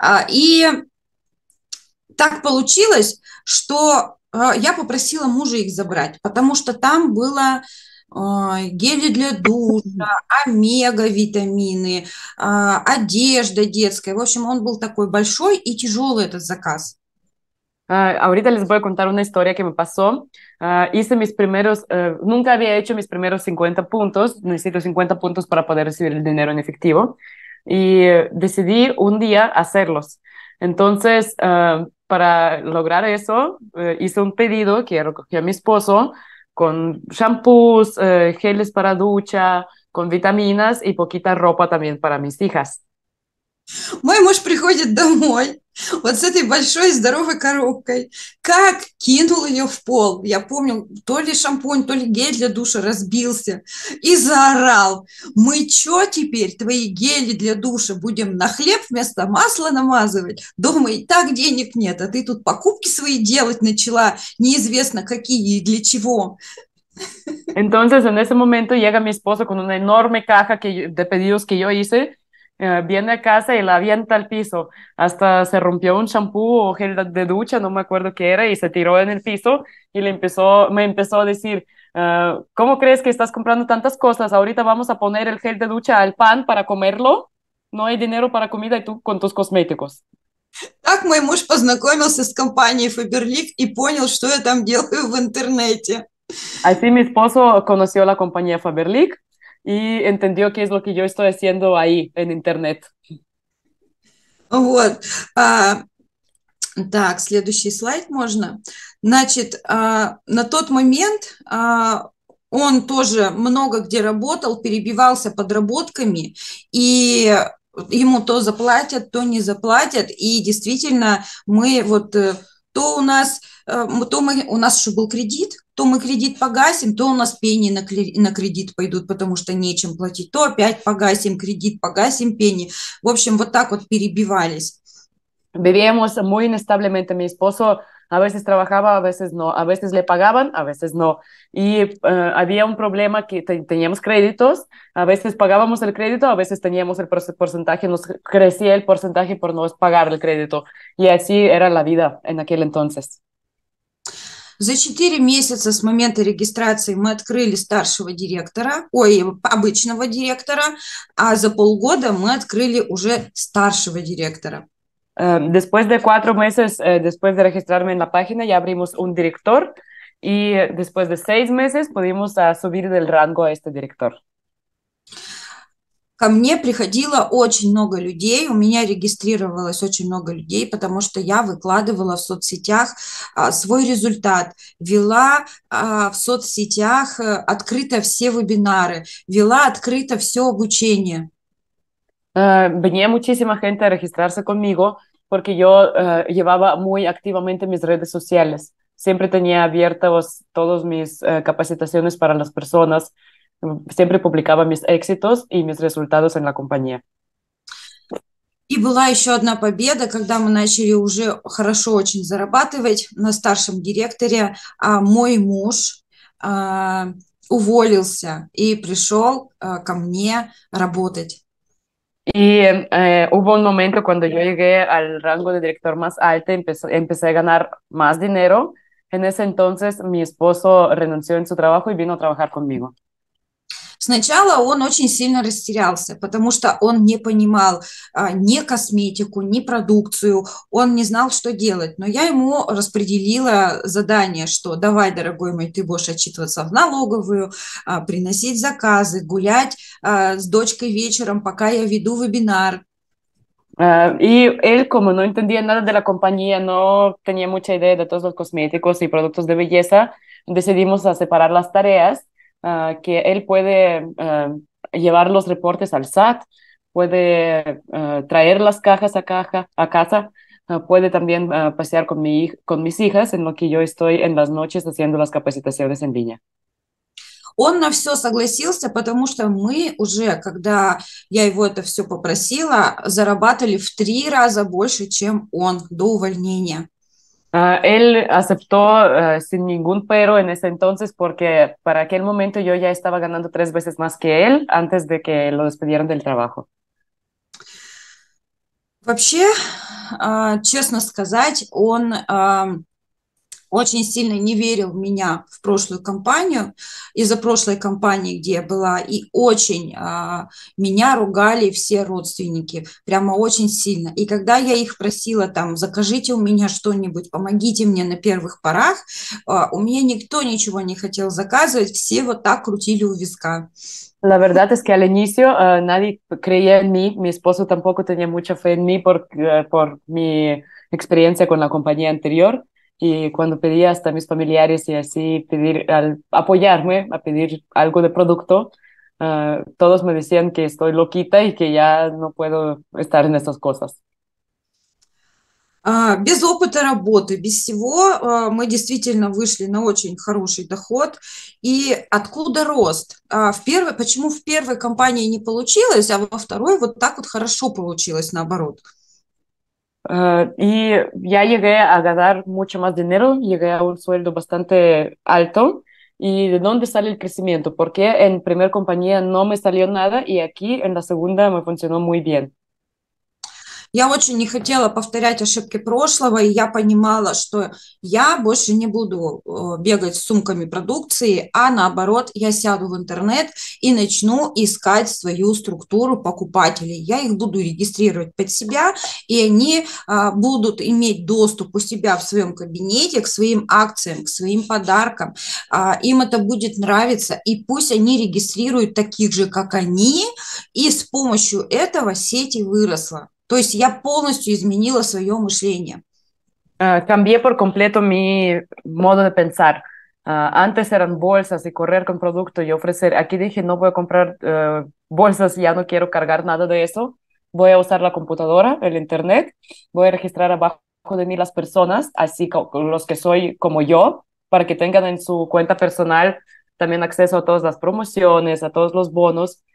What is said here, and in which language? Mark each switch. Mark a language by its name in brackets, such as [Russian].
[Russian] И так получилось, что я попросила мужа их забрать, потому что там было гели для душа, омега-витамины, одежда детская. В общем, он был такой большой и тяжелый этот заказ. [Spanish] Ahorita les voy a contar una historia que me pasó. Hice mis primeros, nunca había hecho mis primeros 50 puntos. Necesito 50 puntos para poder recibir el dinero en efectivo. Y decidí un día hacerlos. Entonces, para lograr eso, hice un pedido que recogió mi esposo con shampoos, geles para ducha, con vitaminas y poquita ropa también para mis hijas. [Russian] Мой муж приходит домой вот с этой большой здоровой коробкой. Как кинул ее в пол. Я помню, то ли шампунь, то ли гель для душа разбился. И заорал. Мы что теперь твои гели для душа будем на хлеб вместо масла намазывать? Дома и так денег нет, а ты тут покупки свои делать начала, неизвестно какие и для чего. [Spanish] Entonces, en ese momento llega mi esposo con una enorme caja de pedidos que yo hice, viene a casa y la avienta al piso. Hasta se rompió un champú o gel de ducha, no me acuerdo qué era, y se tiró en el piso y me empezó a decir, ¿cómo crees que estás comprando tantas cosas? Ahorita vamos a poner el gel de ducha al pan para comerlo. No hay dinero para comida y tú con tus cosméticos. [Russian] Как мой муж познакомился с компанией Faberlic и понял, что я там делаю в интернете. [Spanish] Así mi esposo conoció la compañía Faberlic y entendió qué es lo que yo estoy haciendo ahí en internet. [Russian] Вот. Так, следующий слайд можно. Значит, на тот момент он тоже много где работал, перебивался подработками, и ему то заплатят, то не заплатят, и действительно мы вот то у нас, то мы, у нас еще был кредит, то мы кредит погасим, то у нас пени на кредит пойдут, потому что нечем платить, то опять погасим кредит, погасим пени. В общем, вот так вот перебивались. [Spanish] Vivíamos muy inestablemente. Mi esposo a veces trabajaba, a veces no. A veces le pagaban, a veces no. Y había un problema que teníamos créditos. A veces pagábamos el crédito, a veces teníamos el porcentaje, nos crecía el porcentaje por no pagar el crédito. Y así era la vida en aquel entonces. [Russian] За 4 месяца с момента регистрации мы открыли старшего директора, ой, обычного директора, а за полгода мы открыли уже старшего директора. [Spanish] Después de 4 meses, después de registrarme en la página, ya abrimos un director, y después de 6 meses pudimos subir del rango a este director. [Russian] Ко мне приходило очень много людей, у меня регистрировалось очень много людей, потому что я выкладывала в соцсетях свой результат, вела в соцсетях открыто все вебинары, вела открыто все обучение. [Spanish] Venía muchísima gente a registrarse conmigo porque yo llevaba muy activamente mis redes sociales. Siempre tenía abiertas todas mis capacitaciones para las personas. Siempre publicaba mis éxitos y mis resultados en la compañía. [Russian] И была еще одна победа, когда мы начали уже хорошо очень зарабатывать на старшем директоре, а мой муж уволился и пришел ко мне работать. [Spanish] Y hubo un momento cuando yo llegué al rango de director más alto, empecé a ganar más dinero. En ese entonces mi esposo renunció en su trabajo y vino a trabajar conmigo. [Russian] Сначала он очень сильно растерялся, потому что он не понимал ни косметику, ни продукцию, он не знал, что делать. Но я ему распределила задание, что давай, дорогой мой, ты будешь отчитываться в налоговую, приносить заказы, гулять с дочкой вечером, пока я веду вебинар. [Spanish] Y él, como no entendía nada de la compañía, no tenía mucha idea de todos los cosméticos y productos de belleza, decidimos a separar las tareas. Que él puede llevar los reportes al SAT, puede traer las cajas a casa, puede también pasear con mis hijas, en lo que yo estoy en las noches haciendo las capacitaciones en línea. [Russian] Он на все согласился, потому что мы уже, когда я его это все попросила, зарабатывали в 3 раза больше, чем он до увольнения. [Spanish] Él aceptó sin ningún pero en ese entonces porque para aquel momento yo ya estaba ganando 3 veces más que él antes de que lo despidieran del trabajo. [Russian] Вообще, честно сказать, он очень сильно не верил в меня в прошлую компанию, из-за прошлой компании, где я была, и очень меня ругали все родственники, прямо очень сильно. И когда я их просила, там, закажите у меня что-нибудь, помогите мне на первых порах, у меня никто ничего не хотел заказывать, все вот так крутили у виска. [Spanish] La verdad es que al inicio nadie creía en mí, mi esposo tampoco tenía mucha fe en mí por mi experiencia con la compañía anterior. Y cuando pedí hasta a mis familiares y así pedir al apoyarme a pedir algo de producto, todos me decían que estoy loquita y que ya no puedo estar en estas cosas. [Russian] Без опыта работы, без всего, мы действительно вышли на очень хороший доход. И откуда рост? Почему в первой компании не получилось, а во второй вот так вот хорошо получилось наоборот? [Spanish] Y ya llegué a ganar mucho más dinero, llegué a un sueldo bastante alto. ¿Y de dónde sale el crecimiento? Porque en primer compañía no me salió nada y aquí en la segunda me funcionó muy bien. [Russian] Я очень не хотела повторять ошибки прошлого, и я понимала, что я больше не буду бегать с сумками продукции, а наоборот, я сяду в интернет и начну искать свою структуру покупателей. Я их буду регистрировать под себя, и они будут иметь доступ у себя в своем кабинете к своим акциям, к своим подаркам. Им это будет нравиться, и пусть они регистрируют таких же, как они, и с помощью этого сети выросла. То есть я полностью изменила свое мышление. [Spanish] Cambié por completo mi modo de pensar. Antes eran bolsas y correr con producto y ofrecer. Aquí dije, no voy a comprar bolsas, ya no quiero cargar nada de eso. Voy a usar la computadora, el internet. Voy a registrar abajo de mí las personas, así como los que soy como yo, para que tengan en su cuenta personal también acceso a todas las promociones, a todos los bonos.